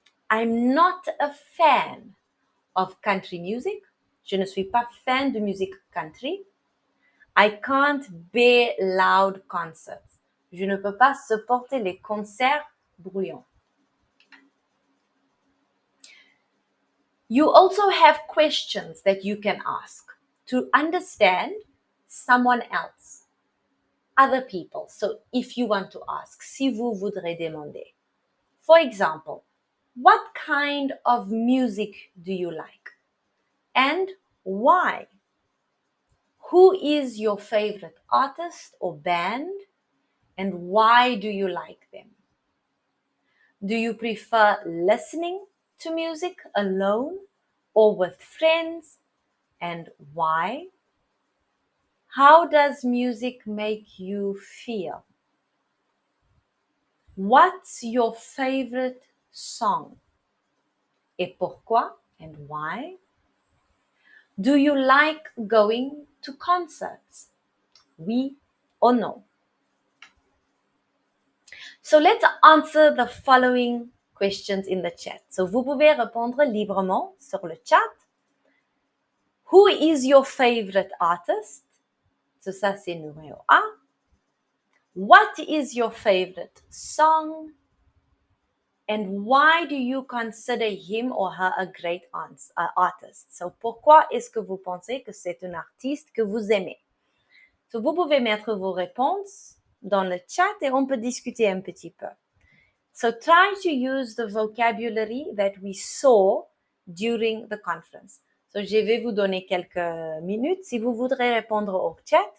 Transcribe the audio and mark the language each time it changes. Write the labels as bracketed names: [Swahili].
[English] I'm not a fan of country music. [French] Je ne suis pas fan de musique country. [English] I can't bear loud concerts. [French] Je ne peux pas supporter les concerts bruyants. [English] You also have questions that you can ask to understand someone else, other people. So, if you want to ask, [French] si vous voudrez demander. [English] For example, what kind of music do you like? And why? Who is your favorite artist or band? And why do you like them? Do you prefer listening to music alone or with friends? And why? How does music make you feel? What's your favorite song? [French] Et pourquoi? [English] And why? Do you like going to concerts? Oui or no? So let's answer the following questions in the chat. [French] So vous pouvez répondre librement sur le chat. [English] Who is your favorite artist? So [French] ça c'est numéro 1. [English] What is your favorite song? And why do you consider him or her a great artist? [French] So pourquoi est-ce que vous pensez que c'est un artiste que vous aimez? So vous pouvez mettre vos réponses dans le chat et on peut discuter un petit peu. [English] So try to use the vocabulary that we saw during the conference. [French] So je vais vous donner quelques minutes si vous voudrez répondre au chat.